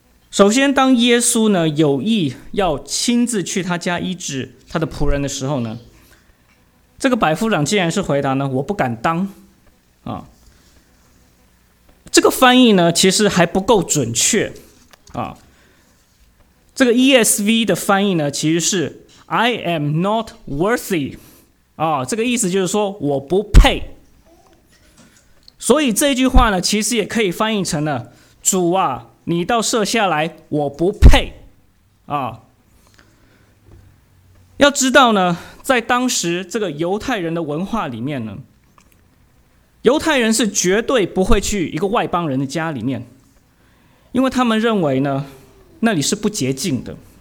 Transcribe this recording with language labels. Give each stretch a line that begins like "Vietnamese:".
Chinese: 首先，当耶稣呢有意要亲自去他家医治他的仆人的时候呢，这个百夫长竟然是回答呢，我不敢当。这个翻译呢其实还不够准确。这个 ESV 的翻译呢其实是
English: I am not worthy。
Chinese: 这个意思就是说我不配。所以这句话呢其实也可以翻译成了主啊，你倒设下来，我不配。要知道呢，在当时这个犹太人的文化里面呢，犹太人是绝对不会去一个外邦人的家里面，因为他们认为呢，那里是不洁净的。